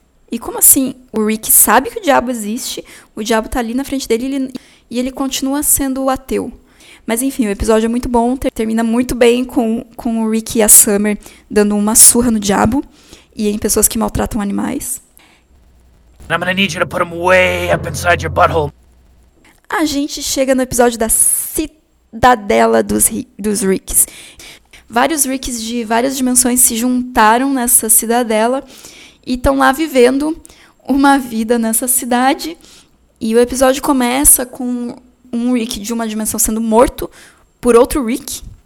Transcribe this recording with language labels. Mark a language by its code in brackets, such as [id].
[pt] E como assim o Rick sabe que o diabo existe, o diabo tá ali na frente dele e ele continua sendo o ateu? Mas enfim, o episódio é muito bom, termina muito bem com o Rick e a Summer dando uma surra no diabo e em pessoas que maltratam animais. [en] I'm gonna need you to put them way up inside your butthole. [pt] A gente chega no episódio da Cidadela dos Ricks. Vários Ricks de várias dimensões se juntaram nessa cidadela e estão lá vivendo uma vida nessa cidade. E o episódio começa com um Rick de uma dimensão sendo morto por outro Rick.